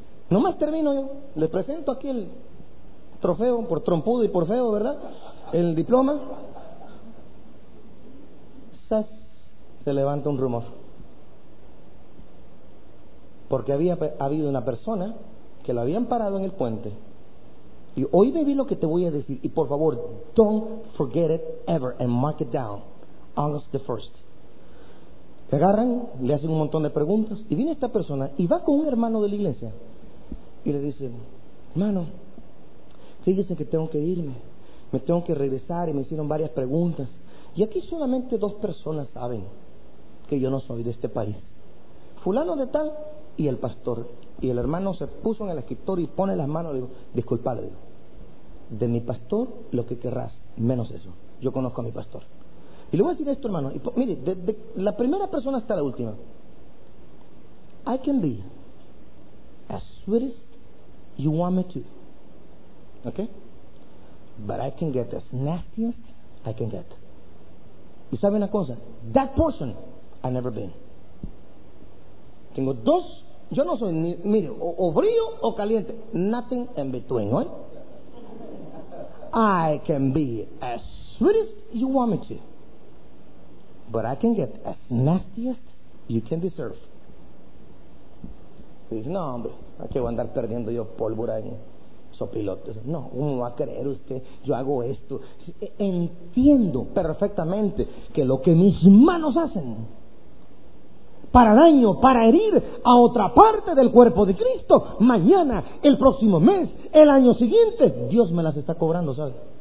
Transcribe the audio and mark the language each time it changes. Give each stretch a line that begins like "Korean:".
Spanish: Nomás termino yo. Les presento aquí el trofeo, por trompudo y por feo, ¿verdad? El diploma. ¡Sas! Se levanta un rumor. Porque había habido una persona que lo habían parado en el puente. Y hoy me vi lo que te voy a decir.
English: Y por favor, don't forget it ever and mark it down. August the 1st.
Spanish: Le agarran, le hacen un montón de preguntas. Y viene esta persona y va con un hermano de la iglesia. Y le dice, hermano, fíjese que tengo que irme. Me tengo que regresar y me hicieron varias preguntas. Y aquí solamente dos personas saben que yo no soy de este país. Fulano de tal y el pastor. Y el hermano se puso en el escritorio y pone las manos y dijo, disculpadle, de mi pastor lo que querrás, menos eso. Yo conozco a mi pastor. Y le voy a decir esto, hermano. Y mire, de la primera persona hasta la última.
English: I can be as sweet as you want me to. ¿Ok? But I can get as nasty as I can get.
Spanish: ¿Y sabe una cosa?
English: That person I've never been.
Spanish: Tengo dos. Yo no soy ni, mire, o frío o caliente.
English: Nothing in between, ¿no? I can be as sweet as you want me to. But I can get as nasty as you can deserve.
Spanish: Dice, no, hombre, aquí voy a andar perdiendo yo pólvora en sopilotes. No, ¿cómo va a creer usted? Yo hago esto. Entiendo perfectamente que lo que mis manos hacen para daño, para herir a otra parte del cuerpo de Cristo, mañana, el próximo mes, el año siguiente, Dios me las está cobrando, ¿sabe?